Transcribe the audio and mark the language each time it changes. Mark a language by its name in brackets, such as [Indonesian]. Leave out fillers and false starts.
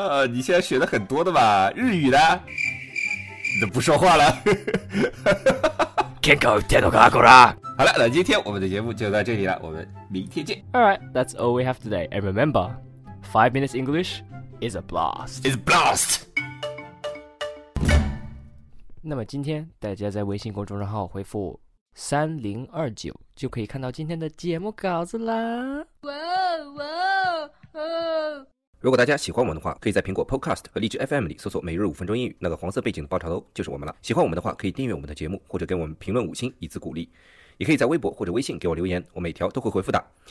[Chinese] 你现在学的很多的吧日语的你都不说话了 Kenko Tenokakura 好了，那今天我们的节目就到这里了，我们明天见。 [English] All right, that's all we have today. And remember, 5 minutes English is a blast. It's a blast. [Chinese] 那么今天大家在微信公众号回复3029就可以看到今天的节目稿子啦。如果大家喜欢我们的话，可以在苹果 Podcast 和荔枝 FM 里搜索每日五分钟英语，那个黄色背景的爆炒楼就是我们了。喜欢我们的话，可以订阅我们的节目，或者给我们评论五星以资鼓励，也可以在微博或者微信给我留言，我每条都会回复的。